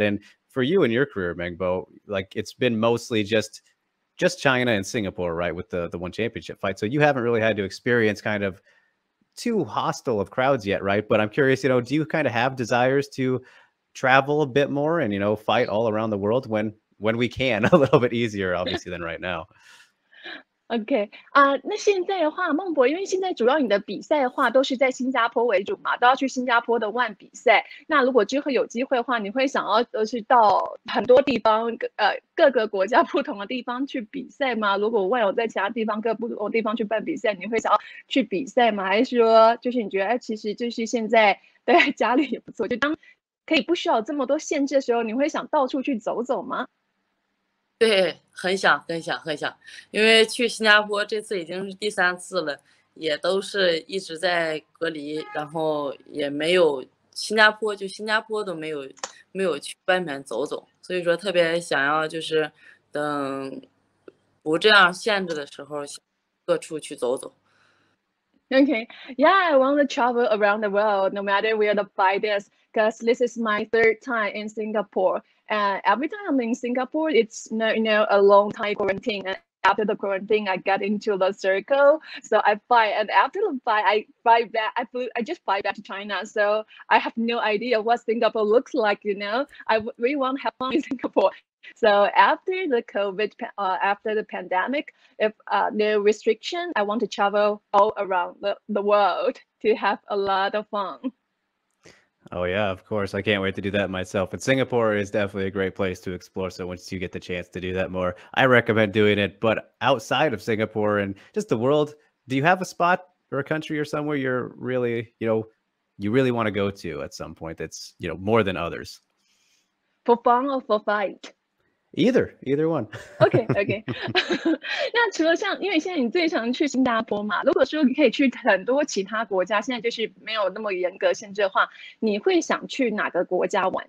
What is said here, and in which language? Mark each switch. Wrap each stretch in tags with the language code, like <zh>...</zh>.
<en>And for you in your career, Mengbo, like it's been mostly just China and Singapore, right, with the one championship fight. So you haven't really had to experience kind of too hostile of crowds yet, right? But I'm curious, you know, do you kind of have desires to travel a bit more and, you know, fight all around the world when we can, a little bit easier, obviously, than right now?</en> <zh>OK，那现在的话，孟博，因为现在主要你的比赛的话都是在新加坡为主嘛，都要去新加坡的 One 比赛。那如果之后有机会的话，你会想要去到很多地方，各个国家不同的地方去比赛吗？如果 One 有在其他地方各不同地方去办比赛，你会想要去比赛吗？还是说，就是你觉得，哎，其实就是现在待在家里也不错，就当可以不需要这么多限制的时候，你会想到处去走走吗？对，很想，因为去新加坡这次已经是第三次了，也都是一直在隔离，然后也没有新加坡，就新加坡都没有去外面走走，所以说特别想要就是等不这样限制的时候，各处去走走。</zh> <en>Okay. Yeah, I want to travel around the world, no matter where the fight is, because this is my third time in Singapore. And every time I'm in Singapore, it's a long time quarantine. And after the quarantine, I get into the circle. So I fight, and after the fight, I fly back. I just fly back to China. So I have no idea what Singapore looks like. You know, I really want to have fun in Singapore. So after the COVID, after the pandemic, if no restriction, I want to travel all around the world to have a lot of fun. Oh yeah, of course. I can't wait to do that myself. And Singapore is definitely a great place to explore. So once you get the chance to do that more, I recommend doing it. But outside of Singapore and just the world, do you have a spot or a country or somewhere you're really, you know, you really want to go to at some point that's, you know, more than others? For fun or for fight? Either one.</en> <zh>OK，那除了像，因为现在你最常去新加坡嘛，如果说你可以去很多其他国家，现在就是没有那么严格限制的话，你会想去哪个国家玩？</zh>